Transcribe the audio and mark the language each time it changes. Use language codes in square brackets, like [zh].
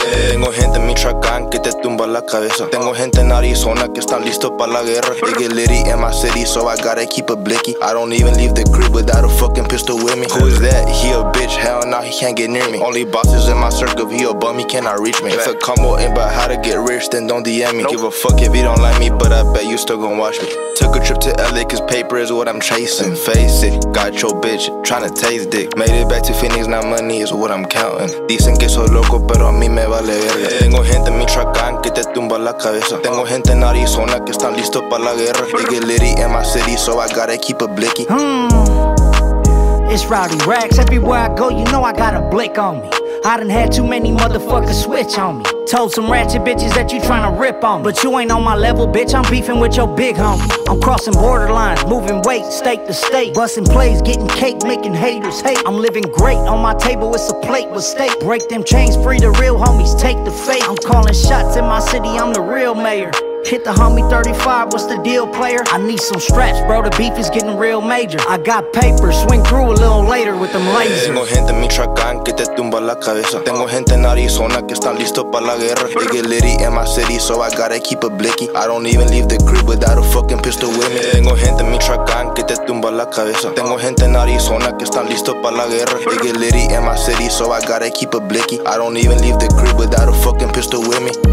[es] Tengo gente en Michoacán que te tumba la cabeza. Tengo gente en Arizona que están listos para la guerra. [en] They get litty in my city, so I gotta keep a blicky. I don't even leave the crib without a fucking pistol with me. Who is that? He a bitch, hell nah, he can't get near me. Only bosses in my circle, if he a bum, he cannot reach me. If a combo ain't about how to get rich, then don't DM me. Nope. Give a fuck if you don't like me, but I bet you still gon' watch me. Took a trip to LA, cause paper is what I'm chasing. Face it, got your bitch tryna taste dick. Made it back to Phoenix, now money is what I'm counting. [es] Dicen que soy loco, pero a mí me vale verga. Tengo gente en Michoacán que te tumba la cabeza. Tengo gente en Arizona que están listos para la guerra. [en] They get litty in my city, so I gotta keep a blicky. It's Rowdy Racks. Everywhere I go, you know I got a blick on me. I done had too many motherfuckers switch on me. Told some ratchet bitches that you tryna rip on me. But you ain't on my level, bitch, I'm beefing with your big homie. I'm crossing borderlines, moving weight, state to state. Busting plays, getting cake, making haters hate. I'm living great, on my table, it's a plate with steak. Break them chains, free the real homies, take the fate. I'm calling shots in my city, I'm the real mayor. Hit the homie 35, what's the deal, player? I need some straps, bro, the beef is getting real major. I got paper, swing through a little later with them lasers. [es] Tengo gente en Michoacán que te tumba la cabeza. Tengo gente en Arizona que están listos para la guerra. [en] They get litty in my city, so I gotta keep a blicky. I don't even leave the crib without a fucking pistol with me. [es] Tengo gente en Michoacán que te tumba la cabeza. Tengo gente en Arizona que están listos para la guerra. [en] They get litty in my city, so I gotta keep a blicky. I don't even leave the crib without a fucking pistol with me.